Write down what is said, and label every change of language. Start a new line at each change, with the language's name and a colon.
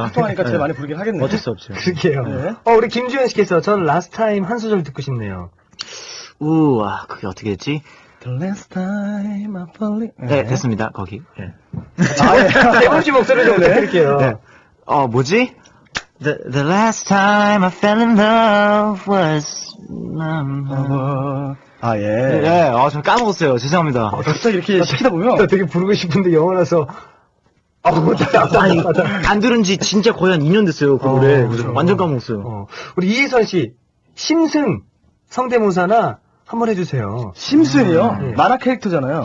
Korean: 활동하니까 제일 네. 많이 부르긴 하겠네요. 어쩔 수 없죠. 그러게요. 네. 우리 김주현 씨께서 전 라스트 타임 한 소절 듣고 싶네요. 우와, 그게 어떻게 됐지?
English: The last time I believe.
Korean: 네, 됐습니다. 거기. 네. 아, 예. 대범씨 목소리 좀 내드릴게요. 네. 뭐지?
English: The last time I fell in love was number.
Korean: 아, 예. 네, 네. 좀 까먹었어요. 죄송합니다. 갑자기 이렇게 시키다 보면. 나 되게 부르고 싶은데 영어라서. 안 들은 지 진짜 거의 한 2년 됐어요, 그 노래. 그렇죠. 완전 까먹었어요. 우리 이희선 씨, 심승 성대모사나 한번 해주세요. 심승이요? 네. 만화 캐릭터잖아요.